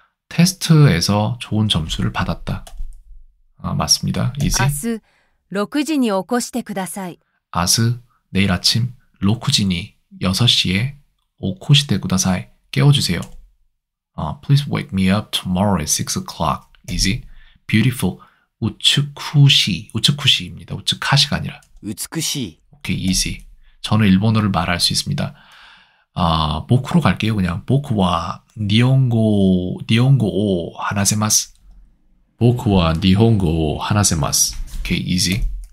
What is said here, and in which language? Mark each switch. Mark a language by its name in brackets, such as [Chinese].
[Korean] 테스트에서 좋은 점수를 받았다. 아, 맞습니다. 이제 [Japanese] 아스 6시에 오코시테 쿠다사이. [Korean] 아스 내일 아침 6시니 6시에 [Japanese] 오코시테 쿠다사이 [Korean] 깨워 주세요. [English] Please wake me up tomorrow at 6 o'clock. Easy. [Korean] Beautiful 우츠쿠시입니다. 우츠카시가 아니라. 우츠쿠시. [English] Okay, easy. [Korean] 저는 일본어를 말할 수 있습니다. 보쿠로 갈게요. [Japanese] 그냥 보쿠와 니혼고 오 하나세마스. 보쿠와 니혼고 오 하나세마스. 오케이, easy.